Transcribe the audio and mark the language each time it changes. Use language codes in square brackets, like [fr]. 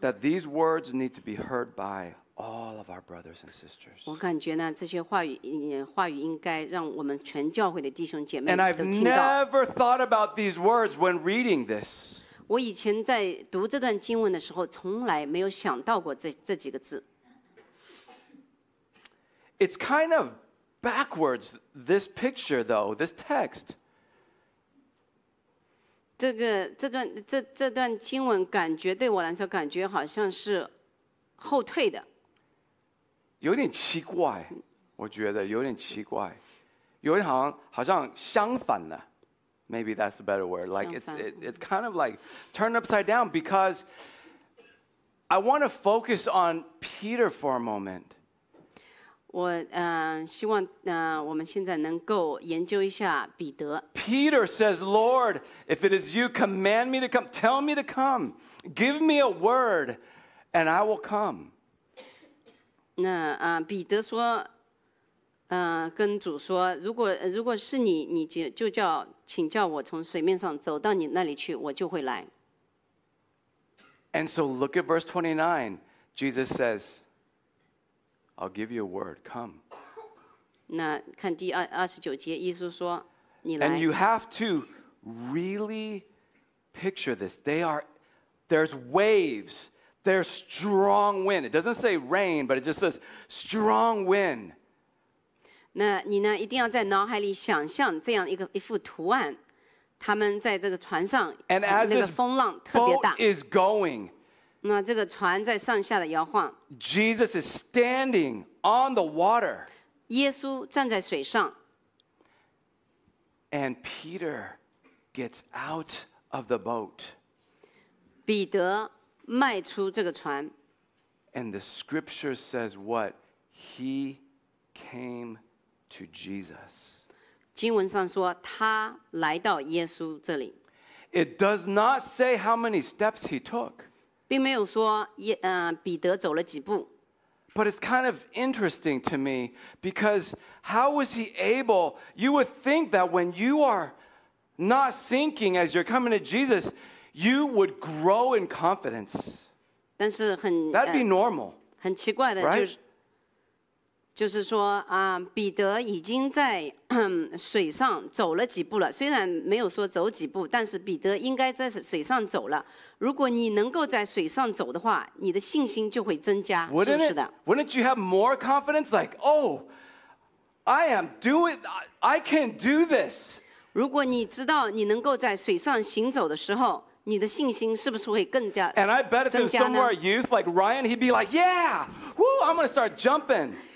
[en] That these words need to be heard by all of our brothers and sisters. [zh] 我感觉呢，这些话语应该让我们全教会的弟兄姐妹都听到。 [en] And I've never thought about these words when reading this. [zh] 我以前在读这段经文的时候，从来没有想到过这几个字。 [en] It's kind of backwards, this picture though, this text. [zh] 这段经文感觉对我来说感觉好像是后退的，有点奇怪，我觉得有点奇怪，有点好像相反的。 [en] Maybe that's a better word. Like it's kind of like turned upside down because I want to focus on Peter for a moment. [zh] 我、希望、我们现在能够研究一下彼得。 [en] Peter says, Lord, if it is you, command me to come. Tell me to come. Give me a word, and I will come. [zh] 那、彼得说、跟主说，如果是你，你就叫请叫我从水面上走到你那里去，我就会来。 [en] And so look at verse 29. Jesus says,I'll give you a word. Come. [zh] 那看第二十九节，耶稣说，你来。 [en] And you have to really picture this. There's waves. There's strong wind. It doesn't say rain, but it just says strong wind. [zh] 那你呢，一定要在脑海里想象这样一幅图案，他们在这个船上，那个风浪特别大。 [en] And as this boat is going, [zh] 那这个船在上下的摇晃。 [en] Jesus is standing on the water. [zh] 耶稣站在水上。 [en] And Peter gets out of the boat. [zh] 彼得迈出这个船。 [en] And the scripture says what? He came to Jesus. [zh] 经文上说他来到耶稣这里。 [en] It does not say how many steps he took. [zh] 并没有说彼得走了几步。 [en] But it's kind of interesting to me because how was he able? You would think that when you are not sinking as you're coming to Jesus, you would grow in confidence. [zh] 但是很 [en] That'd be normal. [zh] 很奇怪的、 [en] right? [zh] 就是说、彼得已经在水上走了几步了，虽然没有说走几步，但是彼得应该在水上走了。如果你能够在水上走的话，你的信心就会增加，是不是的？ [en] Wouldn't you have more confidence? Like, oh, I am doing, I can do this. [zh] 如果你知道你能够在水上行走的时候，你的信心是不是会更加增加呢？ [en] And I bet if it was some of our youth, like Ryan, he'd be like, yeah, woo, I'm going to start jumping.